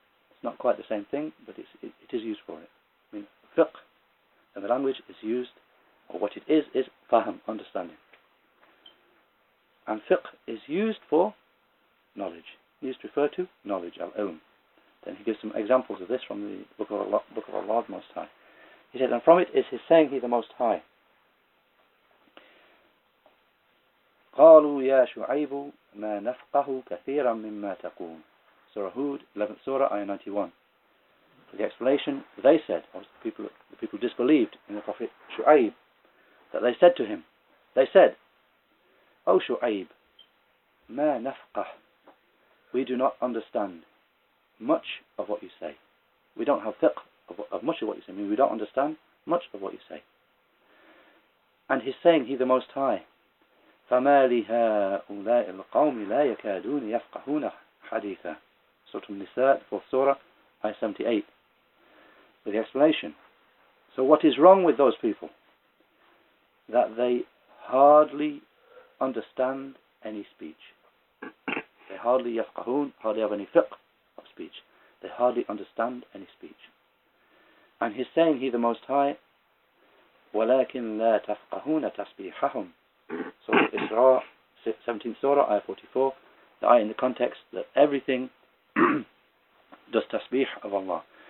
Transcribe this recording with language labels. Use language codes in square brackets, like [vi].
[en] It's not quite the same thing, but it is used for it. I mean, fiqh in the language is used, or what it is fahm, understanding. And fiqh is used for knowledge. It is to refer to knowledge, al-ilm. Then he gives some examples of this from the Book of Allah, the Most High. He said, and from it is his saying, He the Most High. [ar] قَالُوا يَا شُعَيْبُ مَا نَفْقَهُ كَثِيرًا مِمَّا تَقُولُ [en] Surah Hud, 11th Surah, Ayah 91. For the explanation, they said, or the people disbelieved in the Prophet Shu'aib, that they said to him, they said, O Shu'aib, [ar] مَا نَفْقَهُ [en] We do not understand much of what you say. We don't have fiqh of much of what you say. I mean, we don't understand much of what you say. And he's saying, He the Most High. [ar] فَمَا لِهَا أُولَٰئِ الْقَوْمِ لَا يَكَادُونَ يَفْقَهُونَ حَدِيثًا [en] Surah Nisa, 4th Surah, Ayah 78. With the explanation. So what is wrong with those people? That they hardly understand any speech. They hardly yafqahoon, hardly have any fiqh of speech. They hardly understand any speech. And he's saying, He the Most High, [ar] وَلَكِنْ لَا تَفْقَهُونَ تَسْبِيحَهُمْ [en] Surah Isra, 17th Surah, Ayah 44. The ayah in the context that everything does tasbih of Allah.